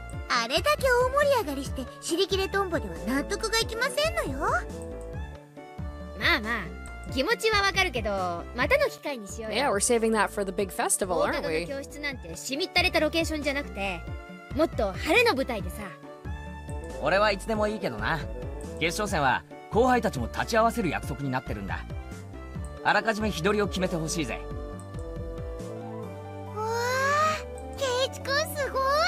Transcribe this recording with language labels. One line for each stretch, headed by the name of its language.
Japanese: あれだけ大盛り上がりして尻切れトンボでは納得がいきませんのよ。まあまあ、気持ちはわかるけど、またの機会にしようよ。
English: Yeah, we're saving that for the big festival, aren't we?
Japanese: 大高の教室なんてしみったれたロケーションじゃなくて、もっと晴れの舞台でさ。俺はいつでもいいけどな。決勝戦は後輩たちも立ち会わせる約束になってるんだ。あらかじめ日取りを決めてほしいぜ。わー、ケイチ君すごい。